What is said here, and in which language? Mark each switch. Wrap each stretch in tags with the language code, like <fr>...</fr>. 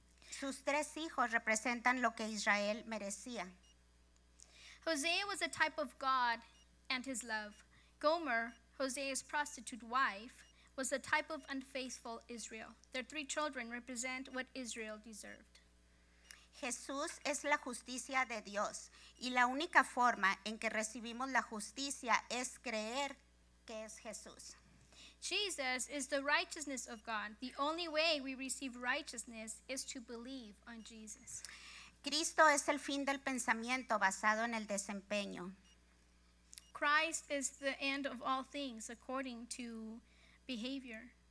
<es>Sus tres hijos representan lo que Israel merecía.</es> <en>Hosea was a type of God and his love. Gomer, Hosea's prostitute wife, was a type of unfaithful Israel. Their three children represent what Israel deserved.</en> <es>Jesús es la justicia de Dios, y la única forma en que recibimos la justicia es creer que es Jesús.</es> <en>Jesus is the righteousness of God. The only way we receive righteousness is to believe on Jesus.</en> <es>Cristo es el fin del pensamiento basado en el desempeño.</es> <en>Christ is the end of all things according to behavior.</en>